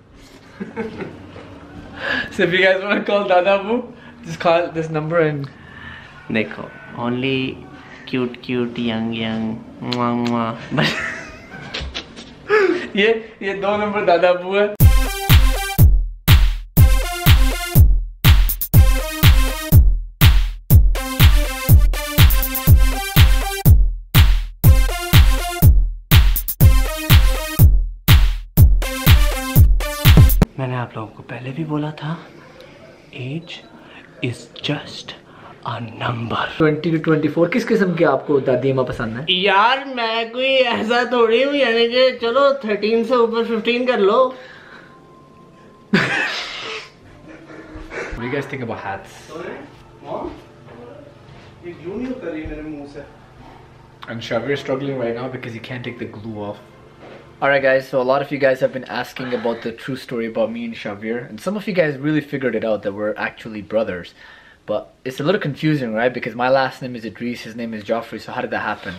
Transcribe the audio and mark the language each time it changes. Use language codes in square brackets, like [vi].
[en] So if you guys want to call Dadabu, just call this number and देखो, only cute cute young mwa mwa. [hi] ye do number dada abu hai. maine aap logo ko pehle bhi bola tha, [en] age is just a number. [hi] 20 to 24, किस किस्म के आपको दादी अम्मा पसंद है? यार मैं कोई ऐसा थोड़ी हूँ, यानी कि चलो 13 से ऊपर 15 कर लो. [en] What do you guys think about hats? [hi] सुने, माँ, ये glue नहीं उतर रही मेरे मुंह से. [en] And struggling right now because he can't take the glue off. Alright guys, so a lot of you guys have been asking about the true story about me and Shavir, and some of you guys really figured it out that we're actually brothers. But it's a little confusing, right? Because my last name is Idrees, his name is Joffrey. So how did that happen?